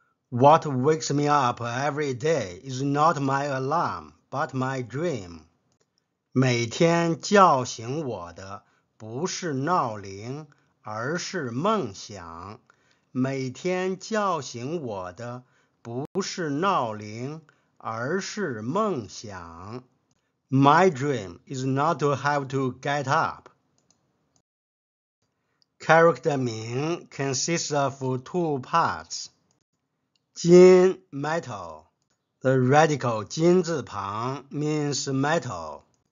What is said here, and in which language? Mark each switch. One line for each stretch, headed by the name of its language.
English: What wakes me up every day is not my alarm, but my dream.
Chinese: 每天叫醒我的不是闹铃，而是梦想。每天叫醒我的不是闹铃，而是梦想。
English: My dream is not to have to get up. Character 名 consists of two parts. 金 metal. The radical 金字旁 means metal.